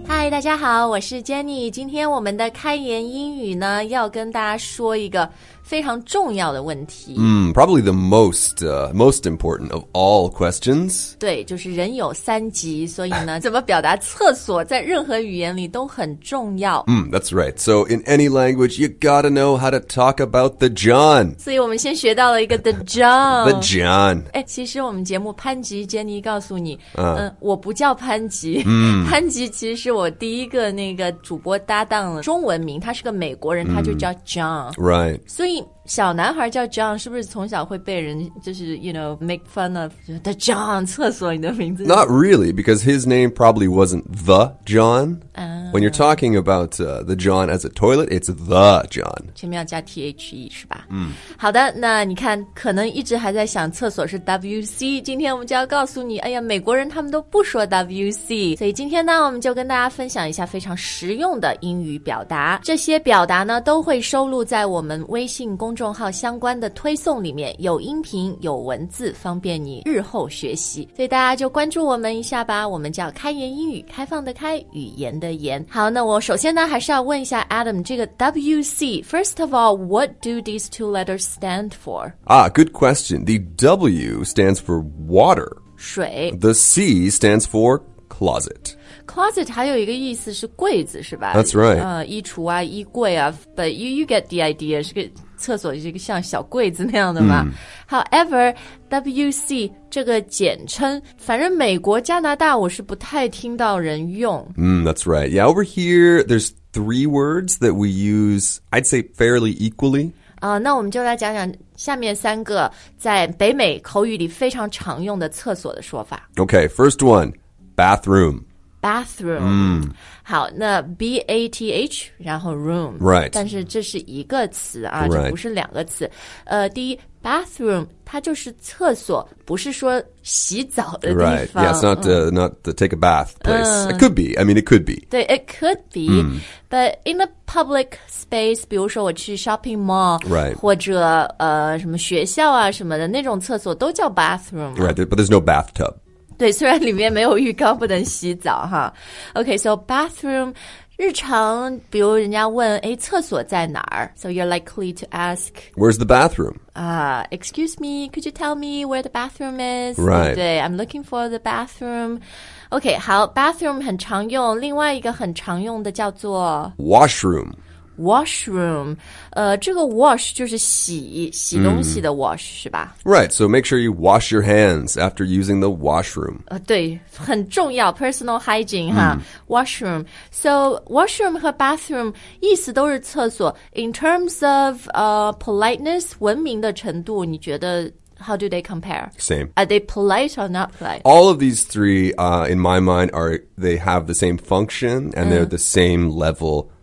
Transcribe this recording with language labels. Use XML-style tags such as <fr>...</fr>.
<zh>大家好，我是 Jenny。今天我们的开言英语呢，要跟大家说一个非常重要的问题。</zh> <en>Probably the most important of all questions.</en> <zh>对，就是人有三急，所以呢，怎么表达厕所在任何语言里都很重要。</zh> <en>That's right. So in any language, you gotta know how to talk about the John.</en> <zh>所以我们先学到了一个 the John.</zh> <en>The John.</en> <zh>哎，其实我们节目潘吉 Jenny 告诉你，我不叫潘吉。潘吉其实是我第一个那个主播搭档的中文名，他是个美国人，他就叫 John.</zh> <en>Right.</en> <zh>所以小男孩叫 John 是不是从小会被人就是</zh> <en>you know make fun of the John</en> <zh>厕所你的名字</zh> <en>Not really, because his name probably wasn't the John. When you're talking about the John as a toilet, it's the John.</en> <zh>前面要加 T-H-E 是吧、好的，那你看可能一直还在想厕所是 WC, 今天我们就要告诉你，哎呀，美国人他们都不说 WC, 所以今天呢我们就跟大家分享一下非常实用的英语表达。这些表达呢都会收录在我们微信公众号相关的推送里面，有音频有文字，方便你日后学习，所以大家就关注我们一下吧。我们叫开言英语，开放的开，语言的言。好，那我首先呢还是要问一下 Adam 这个 WC,</zh> <en>First of all, what do these two letters stand for? Ah, good question. The W stands for water.</en> <zh>水。</zh> <en>The C stands for closet.</en> <zh>Closet 还有一个意思是柜子是吧</zh> <en>That's right.</en> <zh>衣橱啊衣柜啊</zh> <en>But you get the idea,</en> <zh>是个厕所是个像小柜子那样的嘛、However, WC 这个简称反正美国加拿大我是不太听到人用。</zh> <en>That's right. Yeah, over here, there's three words that we use, I'd say fairly equally.</en> <zh>那我们就来讲讲下面三个在北美口语里非常常用的厕所的说法。</zh> <en>Okay, first one, bathroom. Bathroom.</en> <zh>好，那 B-A-T-H, 然后 room.</zh> <en>Right.</en> <zh>但是这是一个词啊、这不是两个词。第一 ,bathroom, 它就是厕所不是说洗澡的地方。</zh> <en>Right. Yeah, it's not,、not the take a bath place.、It could be. I mean, it could be. 对 ,it could be.、But in a public space,</en> <zh>比如说我去</zh> <en>shopping mall. Right.</en> <zh>或者什么学校啊什么的那种厕所都叫 bathroom.</zh> <en>Right, but there's no bathtub.</en> <zh>对，虽然里面没有浴缸，不能洗澡哈。</zh> <en>Okay, so bathroom,</en> <zh>日常比如人家问，哎，厕所在哪儿</zh> <en>？So you're likely to ask, "Where's the bathroom?" Excuse me, could you tell me where the bathroom is? Right. 对, I'm looking for the bathroom.</en> <zh>Okay, 好 ，bathroom 很常用。另外一个很常用的叫做</zh> <en>washroom.</en> <zh>Washroom, 这个 wash 就是洗洗东西的 wash、是吧</zh> <en>？Right, so make sure you wash your hands after using the washroom.</en> <zh>对，很重要 ，personal hygiene 哈、Washroom. So washroom 和 bathroom 意思都是厕所。</zh> <en>In terms of politeness,</en> <zh>文明的程度，你觉得？</zh> <en>How do they compare? Same. Are they polite or not polite? All of these three, in my mind, are they have the same function and、they're the same level.</en>